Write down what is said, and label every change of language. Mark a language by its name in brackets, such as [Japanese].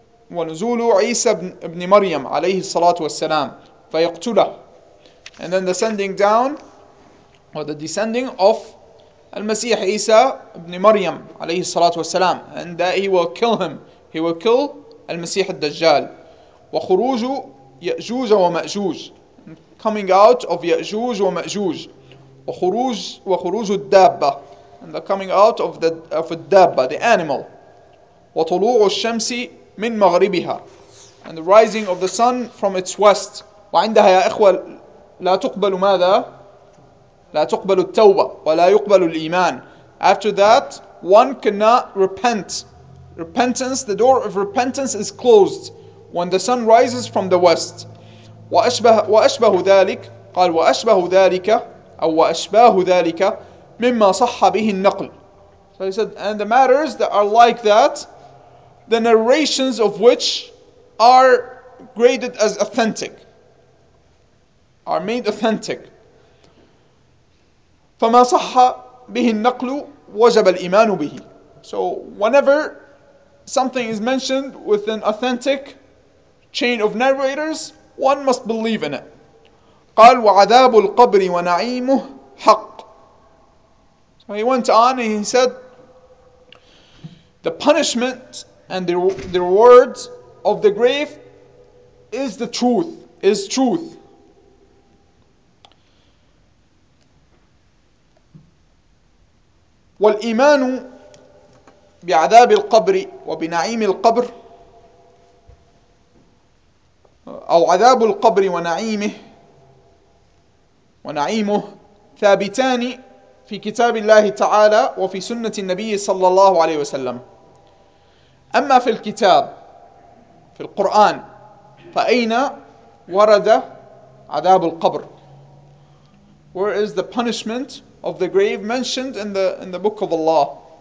[Arabic] ونزول عيسى بن مريم عليه الصلاة والسلام فيقتله. [English] And then the sending down or the descending of [Arabic] المسيح عيسى ابن مريم عليه الصلاة والسلام [English] and that he will kill him he will kill [Arabic] المسيح الدجال وخروج يأجوج ومأجوج [English] coming out of يأجوج ومأجوج [Arabic] وخروج الدابة [English] and the coming out of الدابة the animal [Arabic] وطلوع الشمس من مغربها [English] and the rising of the sun from its west [Arabic] وعندها يا إخوة لا تقبل ماذا؟ لا تقبل التوبة ولا يقبل الإيمان. [English] After that, one cannot repent. Repentance, the door of repentance is closed when the sun rises from the west. [Arabic] وأشبه ذلك قال وأشبه ذلك أو وأشباه ذلك مما صح به النقل. [English] So he said, and the matters that are like that, the narrations of which are graded as authentic. Are made authentic. [Arabic] فما صح به النقل وجب الإيمان به. [English] So whenever something is mentioned with an authentic chain of narrators, one must believe in it. [Arabic] قال وعذاب القبر ونعيمه حق. [English] So he went on and he said, the punishment and the rewards of the grave is the truth. Is truth. [Arabic] والإيمان بعذاب القبر وبنعيم القبر أو عذاب القبر ونعيمه ثابتان في كتاب الله تعالى وفي سنة النبي صلى الله عليه وسلم. أما في الكتاب في القرآن فأين ورد عذاب القبر؟ [English] Where is the punishment of the grave mentioned in the book of Allah?